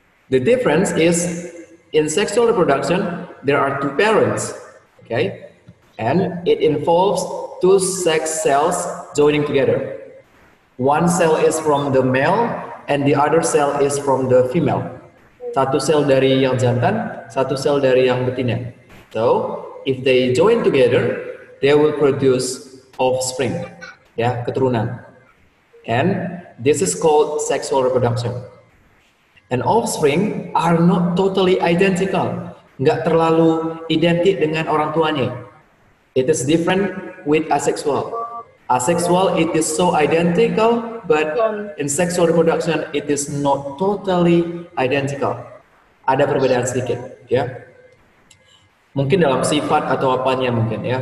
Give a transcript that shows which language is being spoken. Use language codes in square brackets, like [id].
[en] The difference is, in sexual reproduction, there are two parents. Okay, and it involves two sex cells joining together. One cell is from the male, and the other cell is from the female. [id] Satu sel dari yang jantan, satu sel dari yang betina. [en] So, if they join together, they will produce offspring, yeah, keturunan. And this is called sexual reproduction. And offspring are not totally identical, [id] nggak terlalu identik dengan orang tuanya. [en] It is different with asexual. Asexual, it is so identical, but in sexual reproduction, it is not totally identical. [id] Ada perbedaan sedikit, ya. Yeah. Mungkin dalam sifat atau apanya mungkin, ya.